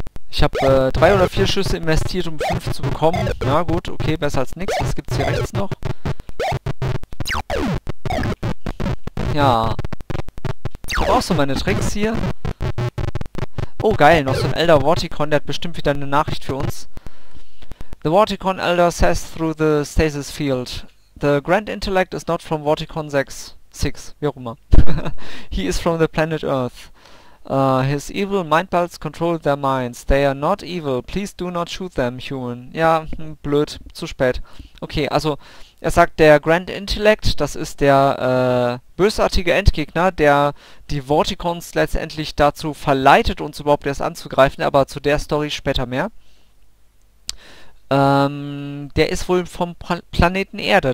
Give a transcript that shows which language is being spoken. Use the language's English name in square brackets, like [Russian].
[German] Ich habe 3 oder 4 Schüsse investiert, um 5 zu bekommen. Na gut, okay, besser als nichts. Was gibt's hier rechts noch? Ja. Ich habe auch so meine Tricks hier. Oh geil, noch so ein Elder Vorticon, der hat bestimmt wieder eine Nachricht für uns. [English] The Vorticon Elder says through the stasis field. The Grand Intellect is not from Vorticon 6, [German] wie auch immer. [English] He is from the planet Earth. His evil mind bulbs control their minds. They are not evil. Please do not shoot them, human. [German] Ja, blöd. Zu spät. Okay, also, er sagt, der Grand Intellect, das ist der, bösartige Endgegner, der die Vorticons letztendlich dazu verleitet, uns überhaupt erst anzugreifen, aber zu der Story später mehr. Der ist wohl vom Planeten Erde.